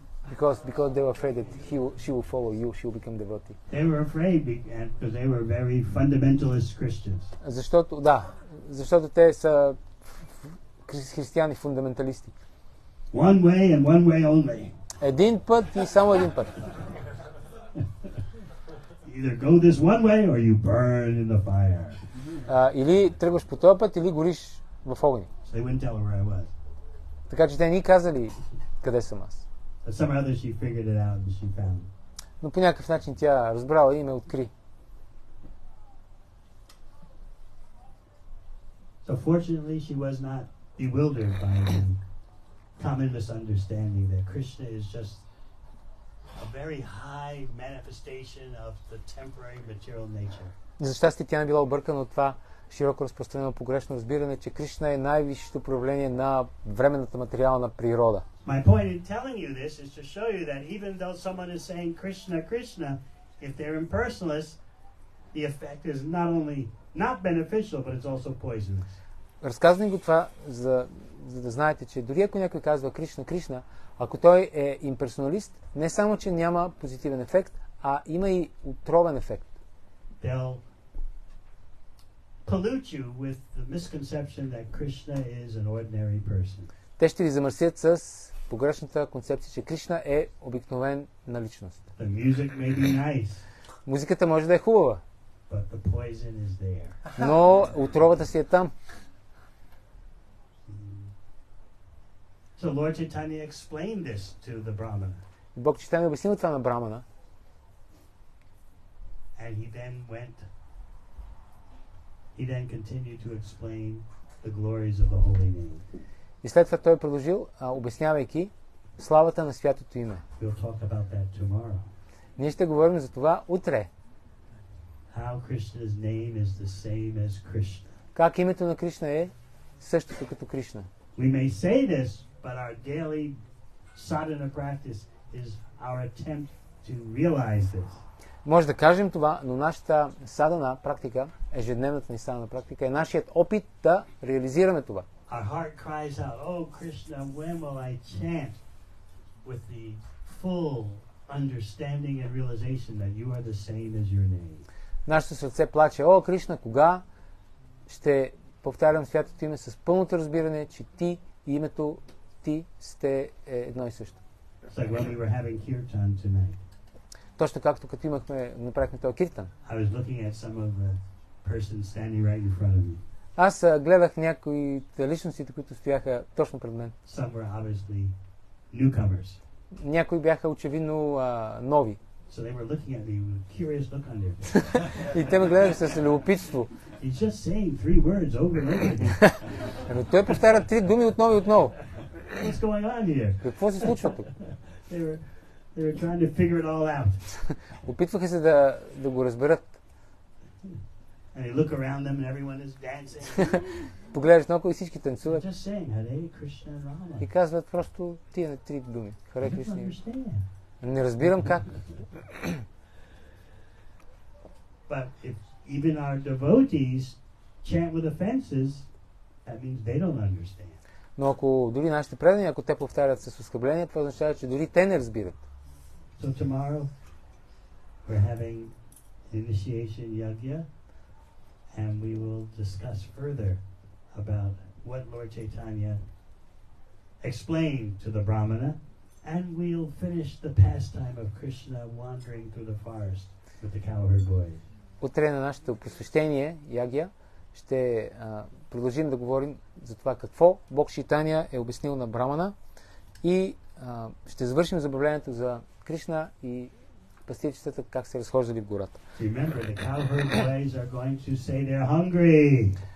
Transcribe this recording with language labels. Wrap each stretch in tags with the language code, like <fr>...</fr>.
<en>Because they were afraid that she will follow you, she will become devotee. They were afraid because they were very fundamentalist Christians.</en> <bg>Защото да, защото те са християни фундаменталисти.</bg> <en>One way and one way only.</en> <bg>Един път и само един път.</bg> <en>Either go this one way or you burn in the fire.</en> <bg>Или тръгваш по този път, или гориш в огъня.</bg> <en>They wouldn't tell her where I was.</en> <bg>Така че те ни казали къде съм аз.</bg> <en>Somehow she figured it out and she found.</en> <bg>Но по някакъв начин тя разбрала и ме откри.</bg> <en>So fortunately she was not bewildered by the common misunderstanding that Krishna is just a very high manifestation of the temporary material nature.</en> <bg>За щастие тя не била объркана от това широко разпространено погрешно разбиране, че Кришна е най-висшето проявление на временната материална природа.</bg> <en>My point in telling you this is to show you that even though someone is saying Krishna, Krishna, if they're impersonalist, the effect is not only not beneficial, but it's also poisonous.</en> <bg>Разказвам го това, за да знаете, че дори ако някой казва Кришна, Кришна, ако той е имперсоналист, не само, че няма позитивен ефект, а има и отровен ефект.</bg> <en>They'll pollute you with the misconception that Krishna is an ordinary person.</en> <bg>Те ще ви замърсят с погрешната концепция, че Кришна е обикновена личност.</bg> <en>The music may be nice.</en> <bg>Музиката може да е хубава.</bg> <en>But the poison is there.</en> <bg>Но отровата си е там.</bg> <en>So Lord Chaitanya explained this to the Brahmana.</en> <bg>Бог Чайтанья обяснил това на Брамана.</bg> <en>And he then continued to explain the glories of the holy name.</en> <bg>И след това той продължил, обяснявайки славата на святото име.</bg> <en>We'll talk about that tomorrow.</en> <bg>Ние ще говорим за това утре.</bg> <en>How Krishna's name is the same as Krishna.</en> <bg>Как името на Кришна е същото като Кришна.</bg> <en>We may say this, but our daily sadhana practice is our attempt to realize this.</en> <bg>Може да кажем това, но нашата садана практика, ежедневната ни садана практика, е нашият опит да реализираме това.</bg> <en>Our heart cries out, oh Krishna, when will I chant with the full understanding and realization that you are the same as your name?</en> <bg>Нашето сърце плаче, о Кришна, кога ще повтарям святото име с пълното разбиране, че ти и името ти сте едно и също.</bg> <en>It's like when we were having kirtan tonight.</en> <bg>Точно както като имахме, направихме този киртан.</bg> <en>I was looking at some of the persons standing right in front of me.</en> <bg>Аз гледах някои личностите, които стояха точно пред мен.</bg> <en>Some were obviously newcomers.</en> <bg>Някои бяха очевидно нови.</bg> <en>So they were looking at me with a curious look on their face.</en> <bg>И те ме гледаха с любопитство.</bg> <en>He's just saying three words over and over again.</en> <bg>Той повтаря три думи отново и отново.</bg> <en>What's going on here?</en> <bg>Какво се случва тук?</bg> <en>They were They were trying to figure it all out.</en> <bg>Опитваха се да го разберат.</bg> <en>And you look around them and everyone is dancing.</en> <bg>Погледваш наоколо и всички танцуват.</bg> <en>Just saying, Hare Krishna Rama.</en> <bg>И казват просто тия три думи. Харе Кришна. Не разбирам как.</bg> <en>But if even our devotees chant with offenses, that means they don't understand.</en> <bg>Но ако дори нашите предани, ако те повтарят с оскърбления, това означава, че дори те не разбират.</bg> <en>So tomorrow we're having initiation yagya and we will discuss further about what Lord Chaitanya explained to the Brahmana and we'll finish the pastime of Krishna wandering through the forest with the cowherd boy.</en> <bg>Утре на нашето посвещение ягия ще продължим да говорим за това какво Бог Шитания е обяснил на Брамана и ще завършим забавлението за Кришна и пастирчетата как се разхождали в гората.</bg> <en>Remember, the cowherd boys are going to say they're hungry.</en>